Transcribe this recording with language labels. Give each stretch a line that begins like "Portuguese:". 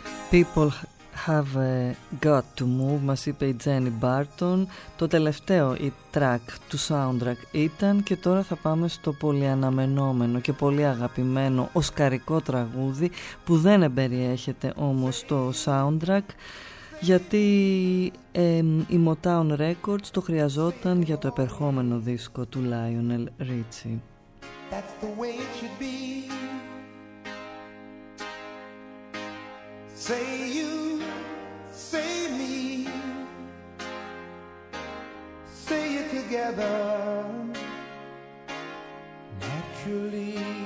Greek: People Have Got To Move, μας είπε η Jenny Barton. Το τελευταίο η track του soundtrack ήταν, και τώρα θα πάμε στο πολύ αναμενόμενο και πολύ αγαπημένο οσκαρικό τραγούδι που δεν εμπεριέχεται όμως το soundtrack, γιατί η Motown Records το χρειαζόταν για το επερχόμενο δίσκο του Lionel Richie.
English: That's the way it should be. Say you, say me, say it together naturally.